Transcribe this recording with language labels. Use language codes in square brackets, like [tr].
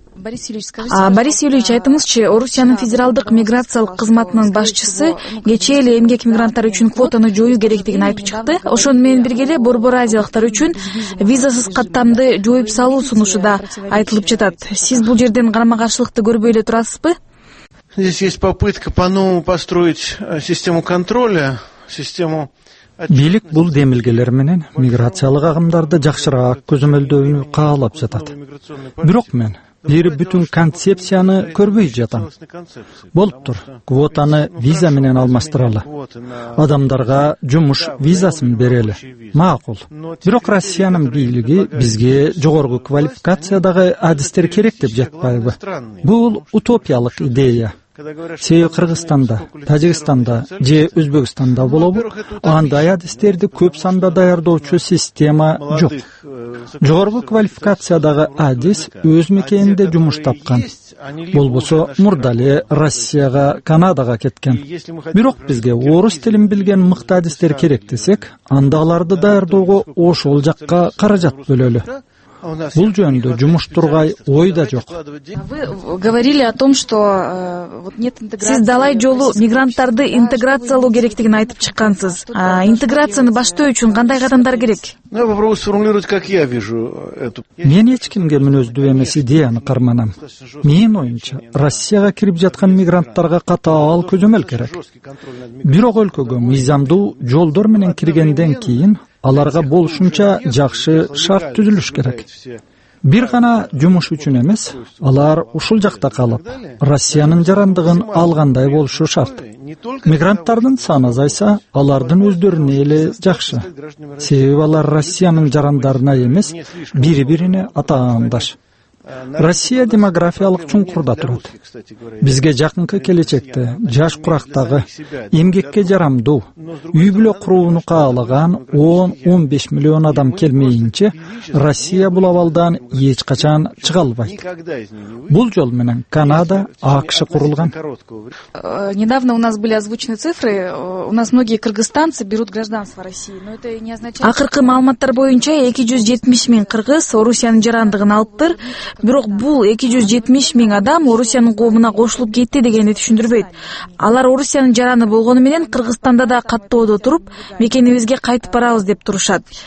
[ky] Борис Юрьевич, айтыңызчы, Орусиянын федералдык миграциялык кызматынын башчысы кечээ эле эмгек мигранттары үчүн квотаны жоюу керектигин айтып чыкты. Ошону менен бирге эле борбор азиялыктар үчүн визасыз каттамды жоюп салуу сунушу да айтылып жатат. Сиз бул жерден карама каршылыкты көрбөй эле турасызбы? [ru] Здесь есть попытка по-новому построить систему контроля, систему. [ky] Бийлик бул демилгелер менен миграциялык агымдарды жакшыраак көзөмөлдөөнү каалап жатат. Бирок мен бир бүтүн концепцияны көрбөй жатам. Болуптур, квотаны виза менен алмаштыралы. Адамдарга жумуш визасын берели. Макул. Бирок Россиянын бийлиги бизге жогорку квалификациядагы адистер керек деп жатпайбы? Бул утопиялык идея. Себеби Кыргызстанда, Тажикстанда же Өзбекстанда болобу, андай адистерди көп санда даярдоочу система жок. Жогорку квалификациядагы адис өз мекенинде жумуш тапкан. Болбосо мурда эле Россияга, Канадага кеткен. Бирок бизге орус тилин билген мыкты адистер керек десек, анда аларды даярдоого ошол жакка каражат бөлөлү. Бул жөнүндө жумуш тургай ой да жок. [ru] Вы говорили о том, что вот нет интеграции. [ky] Сиз далай жолу мигранттарды интеграциялоо керектигин айтып чыккансыз. Интеграцияны баштоо үчүн кандай кадамдар керек? [ru] Я попробую сформулировать, как я вижу эту. [ky] Мен эч кимге мүнөздүү эмес идеяны карманам. Менин оюмча, Россияга кирип жаткан мигранттарга катаал көзөмөл керек. Бирок өлкөгө мыйзамдуу жолдор менен киргенден кийин аларга болушунча жакшы шарт түзүлүш керек. Бир гана жумуш үчүн эмес, алар ушул жакта калып, Россиянын жарандыгын алгандай болушу шарт. Мигранттардын саны азайса, алардын өздөрүнө эле жакшы. Себеби алар Россиянын жарандарына эмес, бири-бирине атаандаш. Россия демографиялык чуңкурда турат. Бизге жакынкы келечекте жаш курактагы эмгекке жарамдуу үй бүлө курууну каалаган 10-15 миллион адам келмейинче Россия бул абалдан эч качан чыга албайт. Бул жол менен Канада, АКШ курулган. [ru] Недавно у нас были озвучены цифры, у нас многие кыргызстанцы берут гражданство России, но это не означает. [ky] Акыркы маалыматтар боюнча 270 000 кыргыз Орусиянын жарандыгын алыптыр. Бирок бул 270 000 адам Орусиянын коомуна кошулуп кетти дегенди түшүндүрбөйт. Алар Орусиянын жараны болгону менен Кыргызстанда да каттоодо туруп, мекенибизге кайтып барабыз деп турушат.